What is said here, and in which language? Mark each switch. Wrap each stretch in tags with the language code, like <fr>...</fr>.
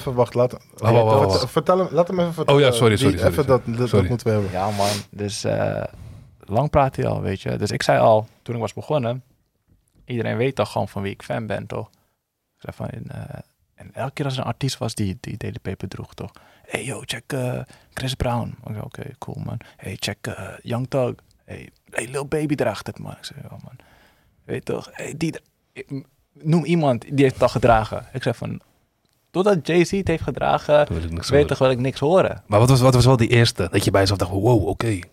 <nl>Laat hem even vertellen. Oh ja, sorry. Even dat moeten we hebben. Ja, man. Dus lang praat hij al, weet je. Dus ik zei al, toen ik was begonnen... Iedereen weet toch gewoon van wie ik fan ben, toch? Ik zei van... En elke keer als er een artiest was die Daily Paper droeg, toch?</nl> <en>Hey, yo, check Chris Brown. Oké, cool, man. Hey, check Young Thug.</en> <nl>Hey, Lil Baby draagt het, man. Ik zei, oh man. Weet toch? Hey, noem iemand die heeft het al gedragen. Ik zei van, totdat Jay-Z het heeft gedragen, wil ik niks horen. Maar wat was wel die eerste? Dat je bij jezelf dacht, wow, oké.</nl>